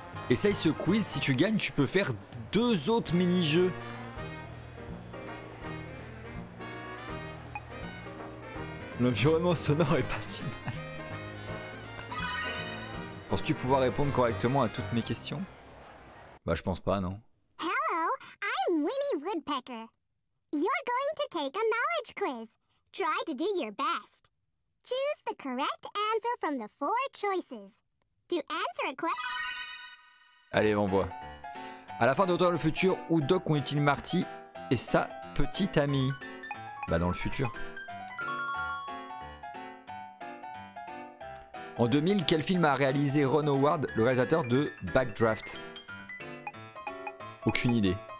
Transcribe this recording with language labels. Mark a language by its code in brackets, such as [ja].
[fr] Essaye ce quiz, si tu gagnes, tu peux faire deux autres mini-jeux. L'environnement sonore est pas si mal. Penses-tu pouvoir répondre correctement à toutes mes questions? Bah, je pense pas, non. [en] Hello, I'm Winnie Woodpecker. You're going to take a knowledge quiz. Try to do your best. Choose the correct answer from the four choices. To answer a question. [fr] Allez, on voit. À la fin de Retour dans le futur, où Doc ont été Marty et sa petite amie? Bah, dans le futur. En 2000, quel film a réalisé Ron Howard, le réalisateur de Backdraft? Aucune idée.